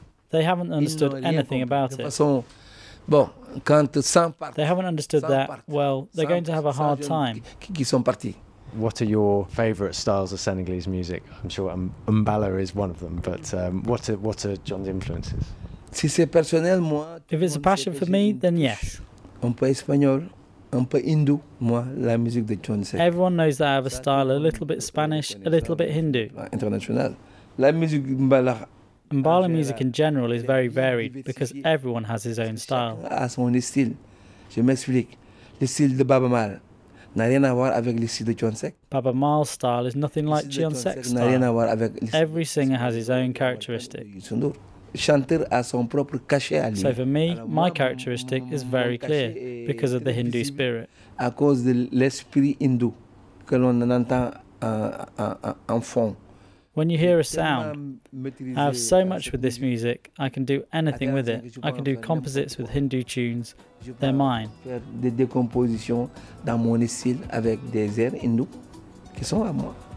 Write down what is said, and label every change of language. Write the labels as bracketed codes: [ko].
[en] They haven't understood anything about it. They haven't understood that. Well, they're going to have a hard time. What are your favourite styles of Senegalese music? I'm sure Mbala is one of them. But what are John's influences? If it's a passion for me, then yes. [fr] Un peu espagnol, un peu hindou, moi, la musique de John Sec. [en] Everyone knows that I have a style a little bit Spanish, a little bit Hindu. [fr] International. La musique Mbala. [en] Mbala music in general is very varied because everyone has his own style. [fr] A son style. Je m'explique. Le style de Baba Mal n'a rien à voir avec le style de John Sec. [en] Baba Mal's style is nothing like John Sec's style. [fr] N'a rien à voir avec. [en] Every singer has his own characteristic. [fr] Chanter a son propre cachet à lui. [en] So for me, my characteristic is very clear because of the Hindu spirit. [fr] À cause de l'esprit hindou que l'on entend en fond. [en] When you hear a sound, I have so much with this music, I can do anything with it. I can do composites with Hindu tunes, they're mine. [fr] Faire des décompositions dans mon style avec des airs hindous qui sont à moi.